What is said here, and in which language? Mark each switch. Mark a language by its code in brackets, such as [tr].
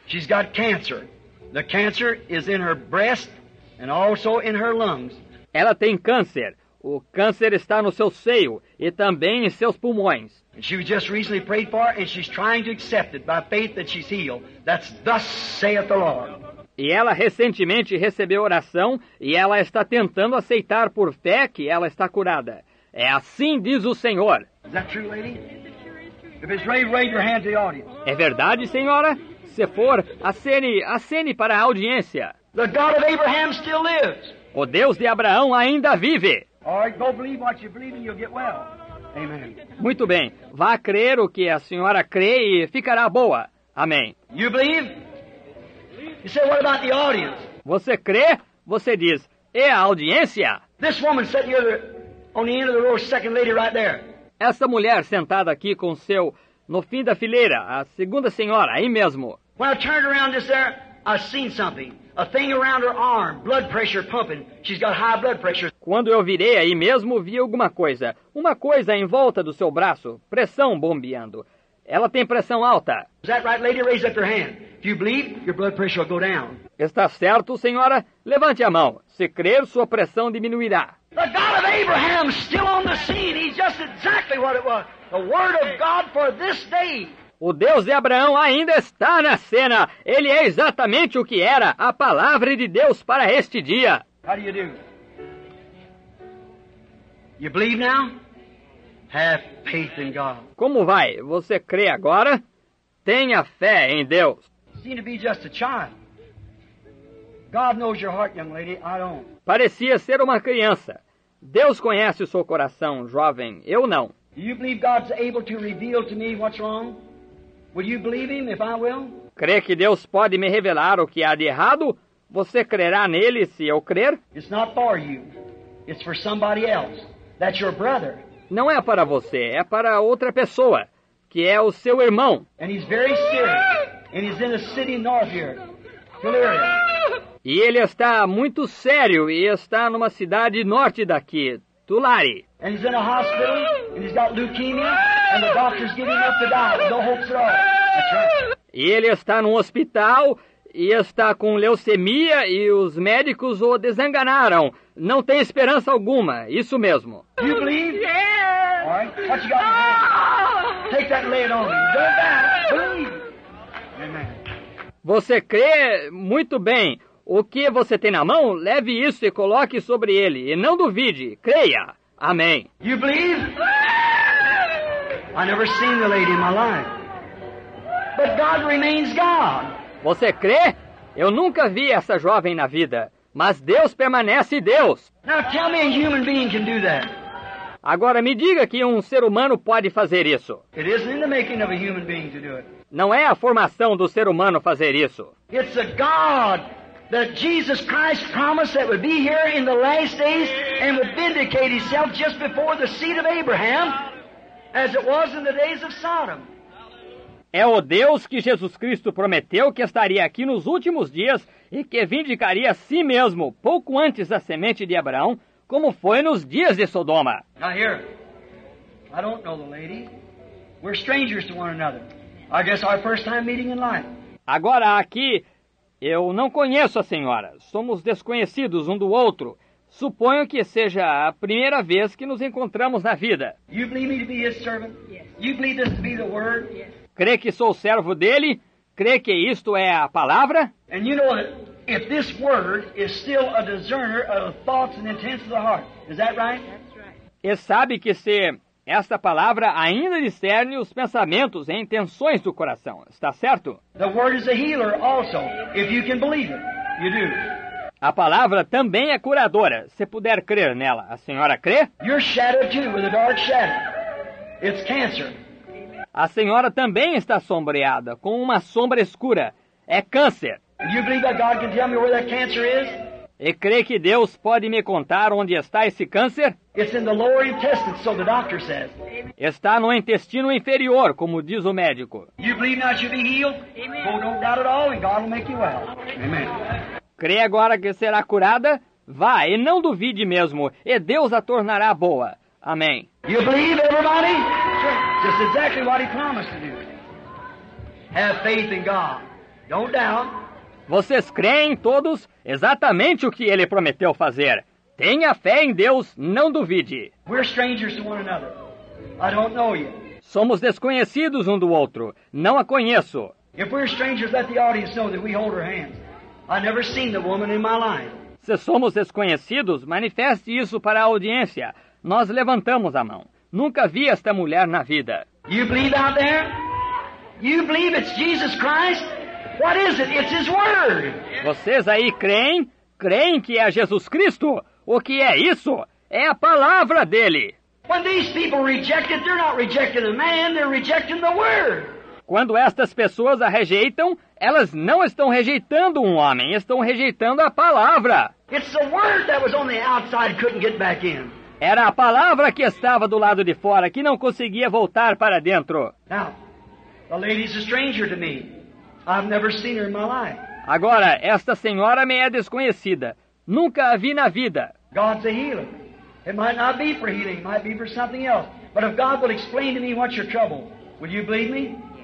[en] She's got cancer. The cancer is in her breast and also in her lungs. [pt] Ela tem câncer. O câncer está no seu seio e também em seus pulmões. [en] She was just recently prayed for and she's trying to accept it by faith that she's healed. That's thus saith the Lord. [pt] E ela recentemente recebeu oração e ela está tentando aceitar por fé que ela está curada. É assim diz o Senhor. [en] Is that true, lady? If it's ready, raise your hand to the audience. [pt] É verdade, senhora? Se for, acene para a audiência. [en] The God of Abraham still lives. [pt] O Deus de Abraão ainda vive. [en] All right, go believe what you believe and you'll get well. Amen. [pt] Muito bem. Vá crer o que a senhora crê e ficará boa. Amém. [en] You believe? You say, what about the audience? [pt] Você crê? Você diz, e a audiência? [en] This woman sitting here on the end of the row, second lady right there. [pt] Essa mulher sentada aqui com seu, no fim da fileira, a segunda senhora, aí mesmo. [en] When I turned around just there, I seen something. A thing around her arm, blood pressure pumping. She's got high blood pressure. [pt] Quando eu virei aí mesmo, vi alguma coisa. Uma coisa em volta do seu braço, pressão bombeando. Ela tem pressão alta. [en] Is that right, lady? Raise up your hand. If you believe, your blood pressure will go down. [pt] Está certo, senhora? Levante a mão. Se crer, sua pressão diminuirá. [en] The God of Abraham still on the scene. He's just exactly what it was. The word of God for this day. [pt] O Deus de Abraão ainda está na cena. Ele é exatamente o que era, a palavra de Deus para este dia. [en] How do you do? You believe now? Have faith in God. [pt] Como vai? Você crê agora? Tenha fé em Deus. [en] Seem to be just a child. God knows your heart, young lady. I don't. [pt] Parecia ser uma criança. Deus conhece o seu coração, jovem. Eu não. [en] Do you believe God's able to reveal to me what's wrong? Would you believe him if I will? [pt] Crê que Deus pode me revelar o que há de errado? Você crerá nele se eu crer? [en] It's not for you. It's for somebody else. That's your brother. [pt] Não é para você, é para outra pessoa, que é o seu irmão. [en] And he's very sick. And he's in a city north here. Delirium. [pt] E ele está muito sério e está numa cidade norte daqui, Tulare. [en] And he's in a hospital and he's got leukemia. And the doctor's giving up to die. No hope at all. That's right. [pt] E ele está no hospital e está com leucemia e os médicos o desenganaram. Não tem esperança alguma. Isso mesmo. [en] You believe? Yeah. All right. What you got in your hand? Take that and lay it on me. Go back. Believe. Amen. [pt] Você crê? Muito bem. O que você tem na mão, leve isso e coloque sobre ele. E não duvide, creia. Amém. [en] You believe? I never seen the lady in my life. But God remains God. [pt] Você crê? Eu nunca vi essa jovem na vida, mas Deus permanece Deus. [en] Now tell me a human being can do that. [pt] Agora me diga que um ser humano pode fazer isso. [en] It isn't in the making of a human being to do it. [pt] Não é a formação do ser humano fazer isso. [en] It's a God that Jesus Christ promised that would be here in the last days and would vindicate himself just before the seed of Abraham as it was in the days of Sodom. [pt] É o Deus que Jesus Cristo prometeu que estaria aqui nos últimos dias e que vindicaria a si mesmo pouco antes da semente de Abraão, como foi nos dias de Sodoma. [en] Now here, I don't know the lady. We're strangers to one another. I guess our first time meeting in life. [pt] Agora aqui, eu não conheço a senhora. Somos desconhecidos um do outro. Suponho que seja a primeira vez que nos encontramos na vida. [en] You believe me to be his servant? Yes. You believe this to be the word? Yes. [pt] Crê que sou servo dele? Crê que isto é a palavra? [en] And you know, if this word is still a discerner of thoughts and intents of the heart, is that right? That's right. [pt] E sabe que se esta palavra ainda discerne os pensamentos e intenções do coração, está certo? [en] The word is a healer also, if you can believe it, you do. [pt] A palavra também é curadora, se puder crer nela. A senhora crê? [en] Your shadow too, with a dark shadow. It's cancer. [pt] A senhora também está sombreada com uma sombra escura. É câncer. [en] You believe that God can tell me where that cancer is? [pt] E crê que Deus pode me contar onde está esse câncer? [en] It's in the lower intestine, so the doctor says. [pt] Está no intestino inferior, como diz o médico. [en] You believe now you'll be healed? Amen. Well, don't doubt at all, and God will make you well. Amen. [pt] Crê agora que será curada? Vá, e não duvide mesmo, e Deus a tornará boa. Amém. [en] You believe, everybody? That's exactly what he promised to do. Have faith in God. Don't doubt. [pt] Vocês creem todos exatamente o que ele prometeu fazer. Tenha fé em Deus, não duvide. [en] We're strangers to one another. I don't know you. [pt] Somos desconhecidos um do outro. Não a conheço. [en] If we're strangers, let the audience know that we hold her hands. I've never seen the woman in my life. [pt] Se somos desconhecidos, manifeste isso para a audiência. Nós levantamos a mão. Nunca vi esta mulher na vida. [en] You believe out there? You believe it's Jesus Christ? What is it? It's his word. [pt] Vocês aí creem? Creem que é Jesus Cristo? O que é isso? É a palavra dele. [en] When these people reject it, they're not rejecting the man, they're rejecting the word. [pt] Quando estas pessoas a rejeitam, elas não estão rejeitando um homem, estão rejeitando a palavra. [en] It's the word that was on the outside, couldn't get back in. [pt] Era a palavra que estava do lado de fora, que não conseguia voltar para dentro. [en] Now, the lady's a stranger to me. I've never seen her in my life. [pt] Agora, esta senhora me é desconhecida. Nunca a vi na vida. [en] God's a healer. It might not be for healing, it might be for something else. But if God will explain to me what's your trouble, will you believe me?